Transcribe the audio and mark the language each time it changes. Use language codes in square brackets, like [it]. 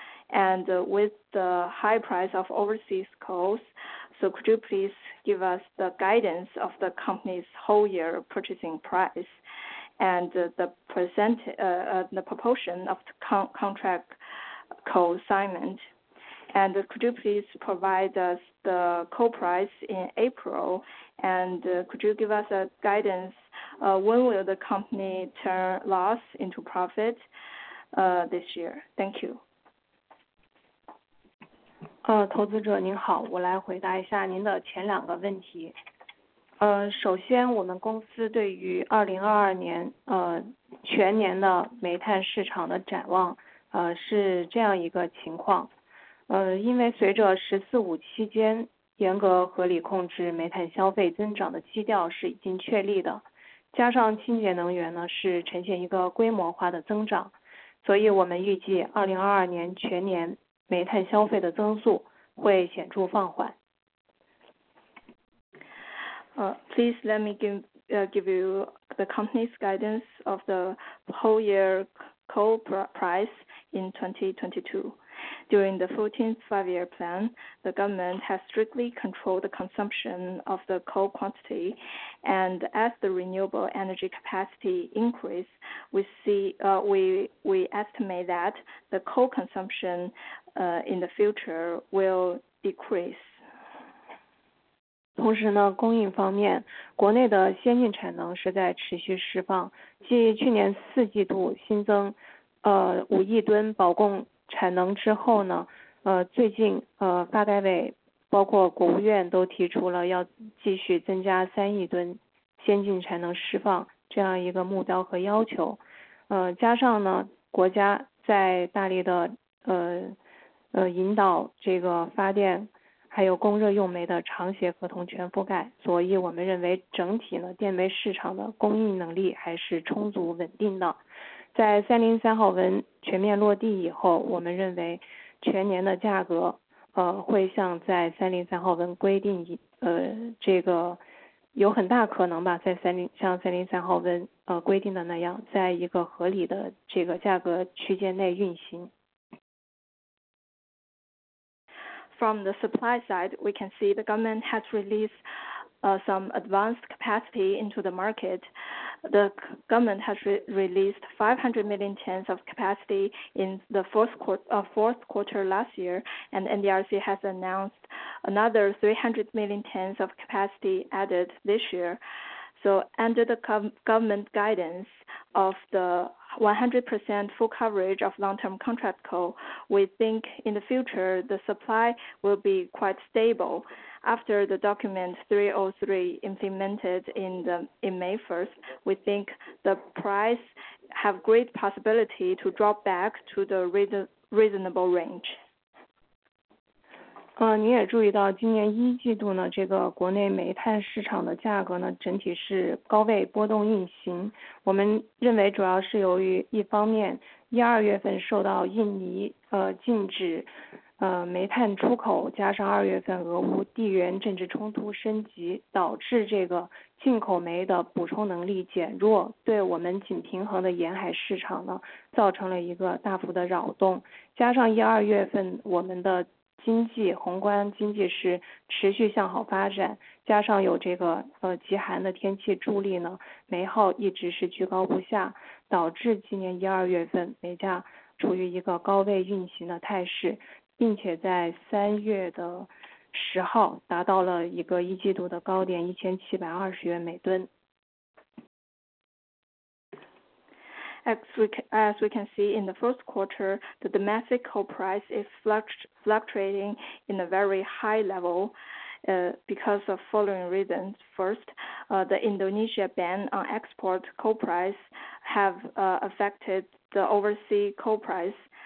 [en] And with the high price of overseas coals, so could you please give us the guidance of the company's whole year purchasing price and the proportion of the contract coal assignment? And could you please provide us the coal price in April? And could you give us a guidance, when will the company turn loss into profit this year? Thank you. [zh] 投资者您好，我来回答一下您的前两个问题。首先我们公司对于2022年全年的煤炭市场的展望是这样一个情况。因为随着“十四五”期间严格合理控制煤炭消费增长的基调是已经确立的，加上清洁能源呢是呈现一个规模化的增长，所以我们预计2022年全年煤炭消费的增速会显著放缓。 [en] Please let me give you the company's guidance of the whole year coal price in 2022. During the 14th five-year plan, the government has strictly controlled the consumption of the coal quantity, and as the renewable energy capacity increases, we estimate that the coal consumption in the future will decrease. [zh] 同时呢，供应方面，国内的先进产能是在持续释放，继去年四季度新增5亿吨保供产能之后呢，最近发改委包括国务院都提出了要继续增加3亿吨先进产能释放这样一个目标和要求，加上呢，国家在大力的引导这个发电还有供热用煤的长协合同全覆盖，所以我们认为整体呢电煤市场的供应能力还是充足稳定的。在303号文全面落地以后，我们认为全年的价格会像在303号文规定这个有很大可能吧，像303号文规定的那样，在一个合理的这个价格区间内运行。 [en] from the supply side, we can see the government has released some advanced capacity into the market. The government has released 500 million tons of capacity in the fourth quarter last year, and NDRC has announced another 300 million tons of capacity added this year. So under the government guidance of the 100% full coverage of long-term contract coal, we think in the future the supply will be quite stable. After the document 303 implemented in May 1st, we think the price have great possibility to drop back to the reasonable range. [zh] 你也注意到今年一季度呢，这个国内煤炭市场的价格呢，整体是高位波动运行。我们认为主要是由于一方面，一二月份受到印尼禁止煤炭出口，加上二月份俄乌地缘政治冲突升级，导致这个进口煤的补充能力减弱，对我们仅平衡的沿海市场呢，造成了一个大幅的扰动。加上一二月份我们的经济宏观经济是持续向好发展，加上有这个极寒的天气助力呢，煤耗一直是居高不下，导致今年一二月份煤价处于一个高位运行的态势，并且在三月的十号达到了一个一季度的高点1720元每吨。 [en] As we can see in the first quarter, the domestic coal price is fluctuating in a very high level because of following reasons. First, the Indonesia ban on export coal price have affected the overseas coal price.